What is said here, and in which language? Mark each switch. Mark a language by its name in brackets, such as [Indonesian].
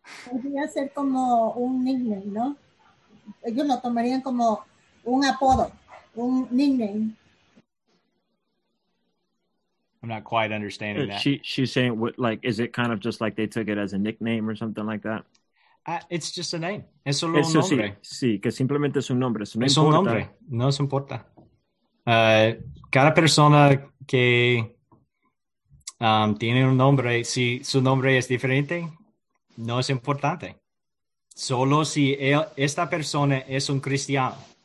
[Spanish] Podría ser como un nickname, ¿no? Ellos lo tomarían como un apodo, un nickname. [English] I'm not quite understanding that. She's saying, what, like, is it kind of just like they took it as a nickname or something like that? It's just a name. [Spanish] Es solo un nombre. Sí, que simplemente es un nombre. Eso no es importa. Un nombre. No se importa. Cada persona que tiene un nombre, si su nombre es diferente, no es importante. Solo si esta persona es un cristiano.